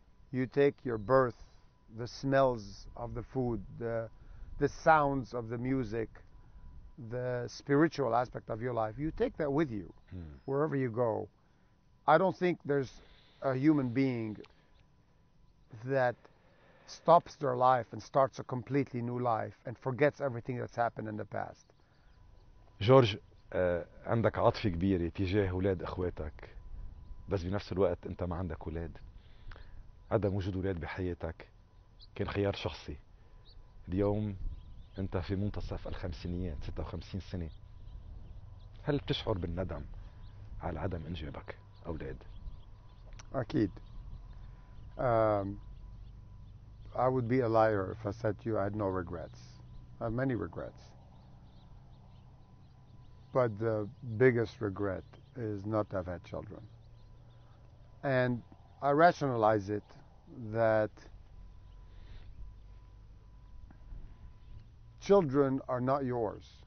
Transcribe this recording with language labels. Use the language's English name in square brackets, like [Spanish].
[English] You take your birth, the smells of the food, the sounds of the music, the spiritual aspect of your life. You take that with you wherever you go. I don't think there's a human being that stops their life and starts a completely new life and forgets everything that's happened in the past. [Arabic] جورج عندك عاطفة كبيرة تجاه أولاد أخواتك بس بنفس الوقت أنت ما عندك أولاد. عدم وجود أولاد بحياتك كان خيار شخصي. اليوم أنت في منتصف الخمسينيات 56 سنة. هل تشعر بالندم على عدم إنجابك أولاد؟ أكيد. [English] I would be a liar if I said to you I had no regrets. I have many regrets. But the biggest regret is not to have had children. And I rationalize it that children are not yours.